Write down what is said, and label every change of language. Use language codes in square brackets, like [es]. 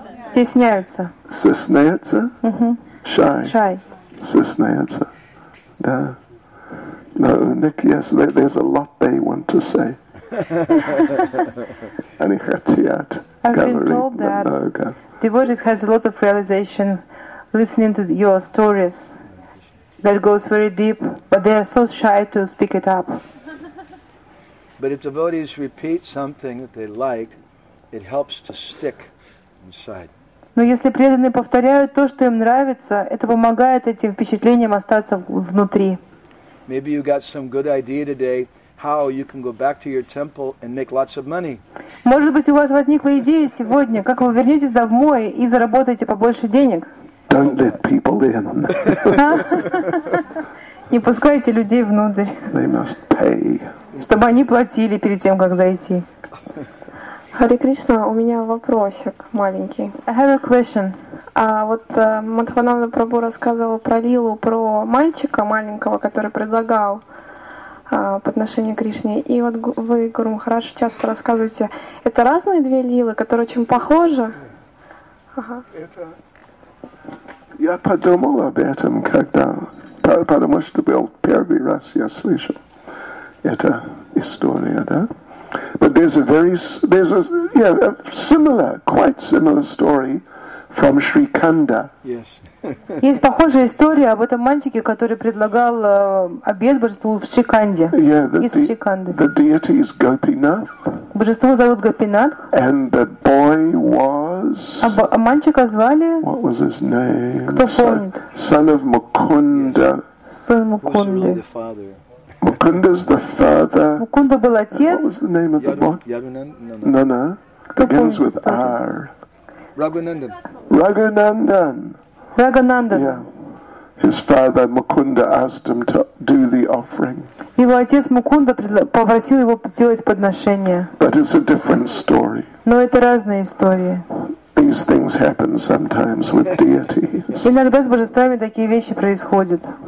[ru] Стесняются. Стесняются? Угу. Shy. Стесняются. Да. Но у них есть, [en] there's a lot they want to say. [ru] Они хотят говорить много. [en] Devotees has a lot of realization listening to your stories that goes very deep, but they are so shy to speak it up. But if devotees repeat something that they like, it helps to stick inside. [ru] Но если преданные повторяют то, что им нравится, это помогает этим впечатлениям остаться внутри. [en] Maybe you got some good idea today. How you can go back to your temple and make lots of money? [ru] Может быть, у вас возникла идея сегодня, как вы вернетесь домой и заработаете побольше денег? [en] Don't let people in. [ru] Не пускайте людей внутрь. [en] They must pay. [ru] Чтобы они платили перед тем, как зайти. Харе Кришна, у меня вопросик маленький. [en] I have a question. [ru] Мадхванана Прабху рассказывал про Лилу, про мальчика маленького, который предлагал по отношению к Кришне. И вот вы, Гуру Махарадж, часто рассказываете, это разные две Лилы, которые очень похожи? Я подумал об этом, когда... Потому что был первый раз я слышал эту историю, да? [en] But there's a quite similar story from Sri Kanda. Yes. [ru] Есть похожая история об этом мальчике, который предлагал обед божеству в Шриканде. [en] The deity is Gopinath. [ru] Божество зовут Гопинатх. [en] And the boy was. [ru] А мальчика звали. [en] What was his name? [ru] Кто помнит? [en] Son of Mukunda. [ru] Сын Мукунды. [en] Mukunda's the father. [ru] Mukunda был отец. [en] What was the name of the boy? Yadunanda. It begins with R. Raghunandan. Yeah. His father Mukunda asked him to do the offering. [ru] Его отец Мукунда попросил его сделать подношение. [en] But it's a different story. [ru] Но это разные истории. [en] These things happen sometimes with deities. [ru] Иногда с божествами такие вещи происходят.